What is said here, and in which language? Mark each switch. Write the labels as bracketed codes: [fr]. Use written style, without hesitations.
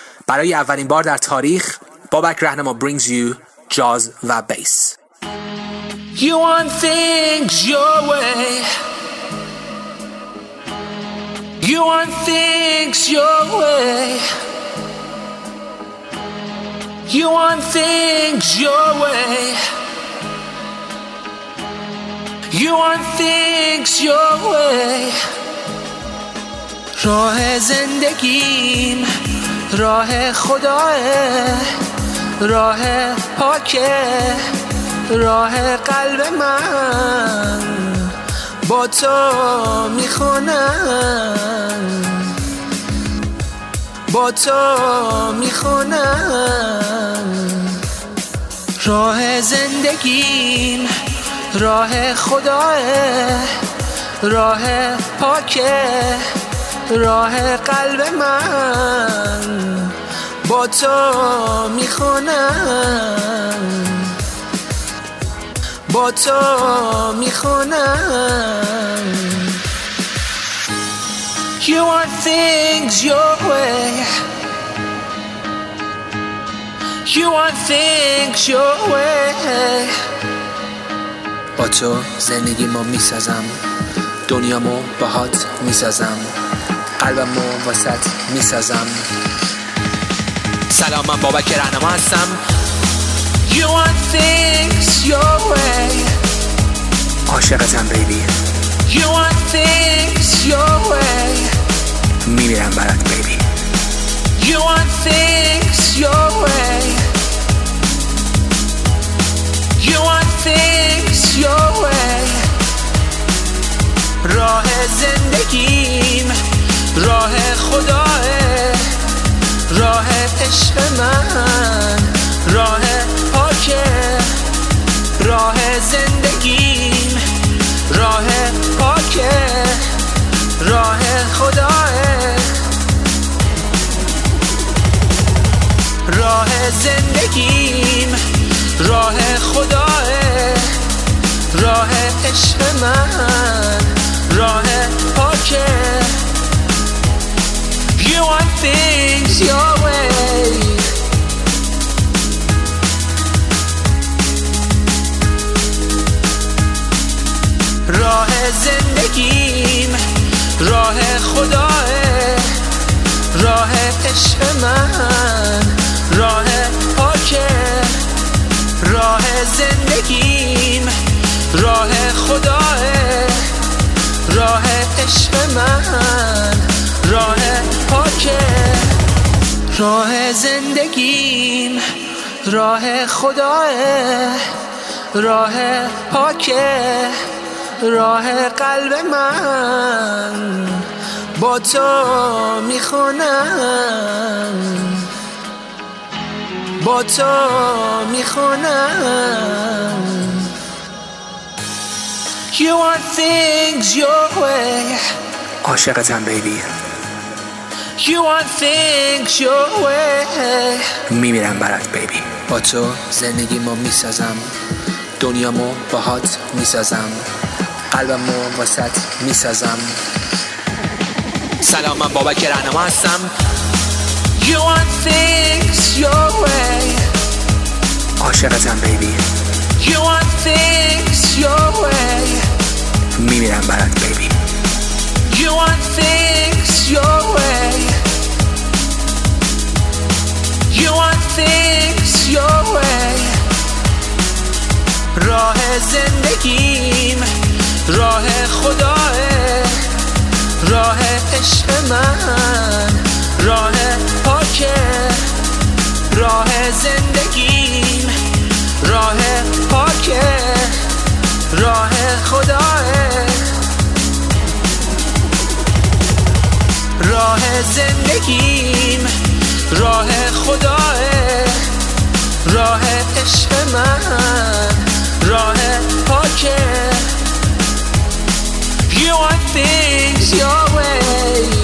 [fa] برای اولین بار در تاریخ بابک رهنما [en] brings you jazz [fa] و bass. [en] You want things your way. You want things your way. You want things your way. You want things your way. [fa] راه زندگیم راه خداه، راه پاکه، راه قلب من با تو میخونم، با تو میخونم. راه زندگیم راه خداه، راه پاکه، راه قلب من با تو میخونم، با تو میخونم. [en] You want things your way. You want things your way. [fa] با تو زندگی ما میسازم، دنیا ما باهات میسازم، قلبم رو واسط میسازم. سلام، من بابک رهنما هستم. [en] You want things your way. [fa] عاشقتم بیبی. [en] You want things your way. [fa] میمیرم برات بیبی. [en] You want things your way. You want things your way. [fa] راه زندگیم راه خداه، راه عشق من، راه پاکه، راه زندگیم، راه پاکه، راه خداه، راه زندگیم، راه خداه، راه عشق من، راه پاکه. [en] You want things your way. [fa] راه زندگیم راه خداه، راه عشق من، راه پاکه، راه زندگیم راه خداه، راه عشق من، راه پاکه. راه زندگیم راه خداه، راه پاکه، راه قلب من با تو میخونم، با تو میخونم. [en] You want things your way. [fa] عاشقتم بیبی. [en] You want things your way. [fa] میمیرم برات بیبی. با تو زندگیمو میسازم، دنیامو باهات میسازم، قلبمو واسط میسازم. سلام، من بابک رهنما هستم. [en] You want things your way. [fa] عاشقتم بیبی. [en] You want things your way. [fa] میمیرم برات بیبی. [en] You want things your way. You want things your way. [fa] راه زندگیم راه خداه، راه عشق من، راه پاکه، راه زندگیم راه پاکه، راه خداه، راه زندگیم راه خداه، راه عشق من، راه پاکه. [en] You want things your way.